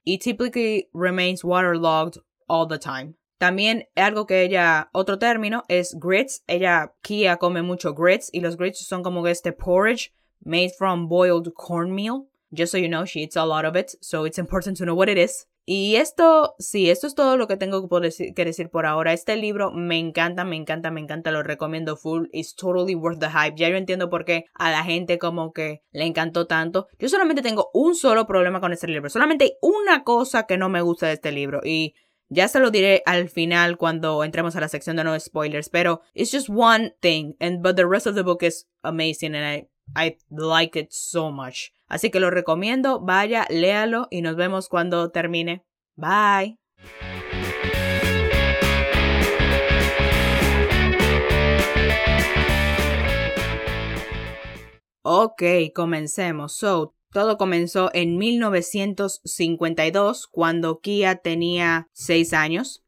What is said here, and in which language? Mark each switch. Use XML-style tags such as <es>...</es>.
<en>It typically remains waterlogged all the time.</en> <es>También algo que ella, otro término, es grits. Ella, Kia, come mucho grits, y los grits son como este</es> <en>porridge made from boiled cornmeal. Just so you know, she eats a lot of it, so it's important to know what it is.</en> <es>Y esto, sí, esto es todo lo que tengo que decir por ahora. Este libro me encanta, me encanta, me encanta. Lo recomiendo full.</es> <en>It's totally worth the hype.</en> <es>Ya yo entiendo por qué a la gente como que le encantó tanto. Yo solamente tengo un solo problema con este libro. Solamente una cosa que no me gusta de este libro. Y ya se lo diré al final cuando entremos a la sección de no spoilers.</es> <en>Pero it's just one thing. But the rest of the book is amazing and I like it so much.</en> <es>Así que lo recomiendo, vaya, léalo y nos vemos cuando termine.</es> <en>Bye.</en> <es>Ok, comencemos. So, todo comenzó en 1952 cuando Kia tenía 6 años.</es>